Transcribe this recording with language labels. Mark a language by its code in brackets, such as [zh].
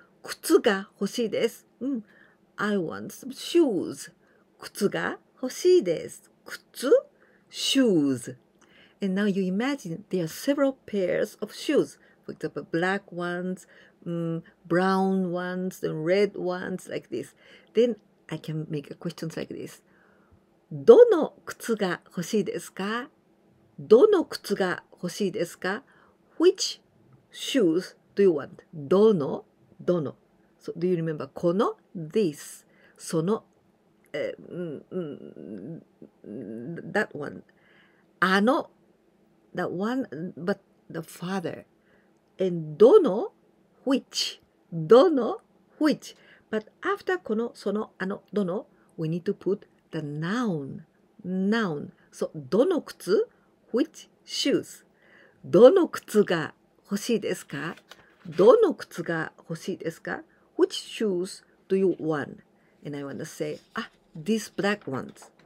[ja] 靴が欲しいです。 [en] Mm. I want some shoes. [ja] 靴が欲しいです。靴? [en] Shoes. And now you imagine there are several pairs of shoes. For example, black ones, brown ones, and red ones, like this. Then I can make questions like this. [ja] どの靴が欲しいですか?どの靴が欲しいですか? [en] Which shoes? Do you want? どの?So do you remember? この?This. その? That one. あの? That one, but the father. And どの?Which? どの?Which? But after この, その, あの, どの?We need to put the noun. Noun. So どの靴?Which shoes? [ja] どの靴が欲しいですか?どの靴が欲しいですか? [en] Which shoes do you want? And I want to say, these black ones.